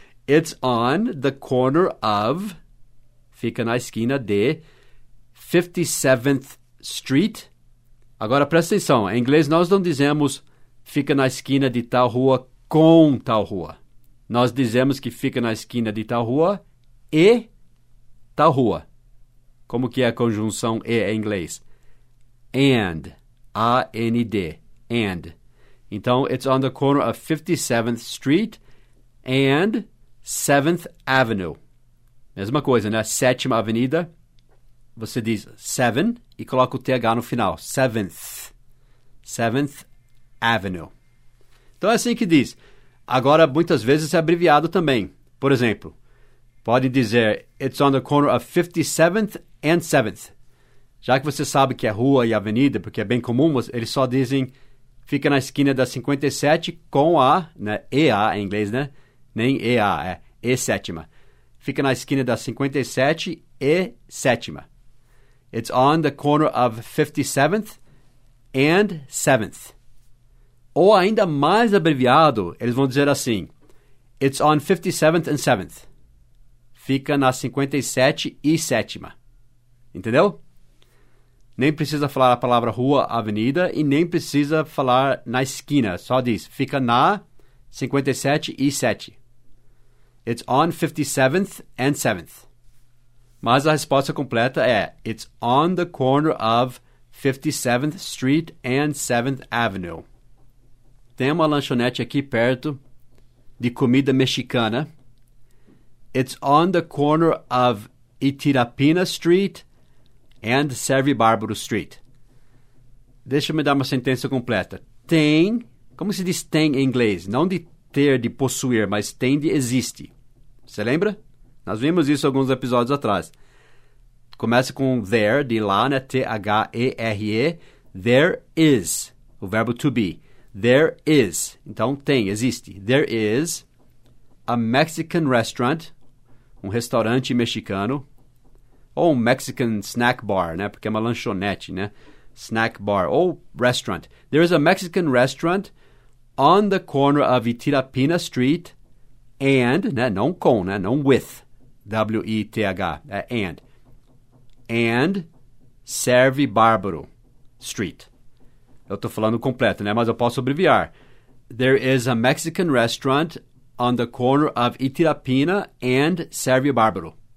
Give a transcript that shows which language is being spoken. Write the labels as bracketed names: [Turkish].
[English] It's on the corner of, [Portuguese] fica na esquina de, 57th Street. Agora, presta atenção. Em inglês, nós não dizemos fica na esquina de tal rua com tal rua. Nós dizemos que fica na esquina de tal rua e tal rua. Como que é a conjunção e em inglês? [English] And, A-N-D, and. Então, it's on the corner of 57th Street and... [Portuguese] 7th Avenue. Mesma coisa, né? 7ª Avenida. Você diz 7 e coloca o TH no final. 7th. 7th Avenue. Então, é assim que diz. Agora, muitas vezes, é abreviado também. Por exemplo, pode dizer [English] It's on the corner of 57th and 7th. [Portuguese] Já que você sabe que é rua e avenida, porque é bem comum, eles só dizem fica na esquina da 57 com a, né? E-A em inglês, né? Nem E-A, é E-7ª. Fica na esquina da 57 e 7ª. [English] It's on the corner of 57th and 7th. [Portuguese] Ou ainda mais abreviado, eles vão dizer assim. [English] It's on 57th and 7th. [Portuguese] Fica na 57 e 7ª. Entendeu? Nem precisa falar a palavra rua, avenida e nem precisa falar na esquina. Só diz, fica na 57 e 7ª. [English] It's on 57th and 7th. [Portuguese] Mas a resposta completa é [English] It's on the corner of 57th Street and 7th Avenue. [Portuguese] Tem uma lanchonete aqui perto de comida mexicana. [English] It's on the corner of Itirapina Street and Servi Bárbaro Street. [Portuguese] Deixa eu me dar uma sentença completa. Tem, como se diz tem em inglês? Não de ter, de possuir, mas tem de existe. Você lembra? Nós vimos isso alguns episódios atrás. Começa com there, de lá, né? T-H-E-R-E. There is. o verbo to be. [English] There is. [Portuguese] Então, tem, existe. [English] There is a Mexican restaurant, [Portuguese] um restaurante mexicano, ou um [English] Mexican snack bar, né? [Portuguese] Porque é uma lanchonete, né? Snack bar, ou restaurant. [English] There is a Mexican restaurant on the corner of Itirapina Street and, né? [Portuguese] Não com, né? Não with, W-E-T-H, [English] and Serve Bárbaro Street. [Portuguese] Eu estou falando completo, né? Mas eu posso abreviar. [English] There is a Mexican restaurant on the corner of Itirapina and Serve Bárbaro.